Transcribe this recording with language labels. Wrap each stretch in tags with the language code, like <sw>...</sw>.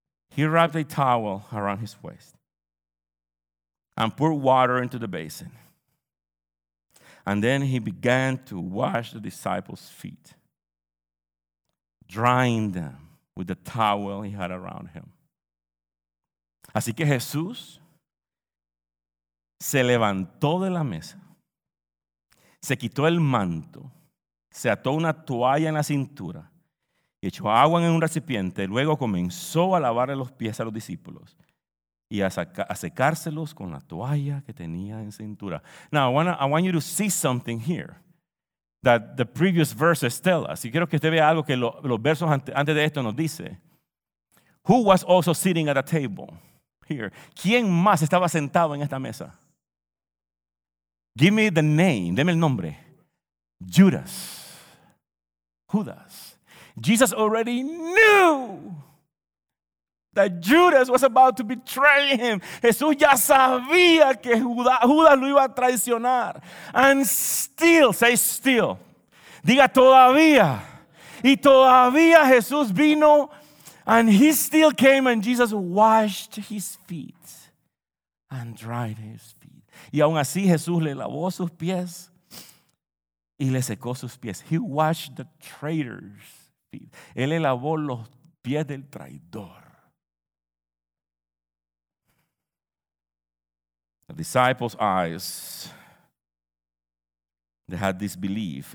<en>He wrapped a towel around his waist and poured water into the basin. And then he began to wash the disciples' feet, drying them with the towel he had around him.</en> <es>Así que Jesús se levantó de la mesa, se quitó el manto, se ató una toalla en la cintura y echó agua en un recipiente. Luego comenzó a lavarle los pies a los discípulos y a secárselos con la toalla que tenía en cintura.</es> <en>Now, I want you to see something here that the previous verses tell us.</en> <es>Y quiero que usted vea algo que los versos antes de esto nos dice.</es> <en>Who was also sitting at a table here?</en> <es>¿Quién más estaba sentado en esta mesa?</es> <en>Give me the name.</en> <es>Deme el nombre. Judas. Judas.</es> <en>Jesus already knew that Judas was about to betray him.</en> <es>Jesús ya sabía que Judas lo iba a traicionar.</es> <en>And still, say still.</en> <es>Diga todavía. Y todavía Jesús vino.</es> <en>And he still came and Jesus washed his feet and dried his feet.</en> <es>Y aún así Jesús le lavó sus pies y le secó sus pies.</es> <en>He washed the traitor's feet.</en> <es>Él le lavó los pies del traidor.</es> <en>The disciples' eyes, they had disbelief.</en>